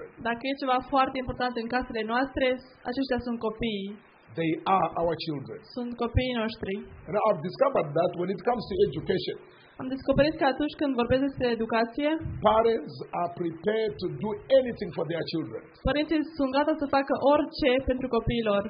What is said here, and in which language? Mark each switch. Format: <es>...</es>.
<ro>Dacă e ceva foarte important în casele noastre, aceștia sunt copiii.</ro> <en>They are our children.</en> <ro>Sunt copiii noștri.</ro> <en>And I've discovered that when it comes to education.</en> <ro>Am descoperit că atunci când vorbesc despre educație,</ro> <en>parents are prepared to do anything for their children.</en> <ro>Părinții sunt gata să facă orice pentru copiilor.</ro>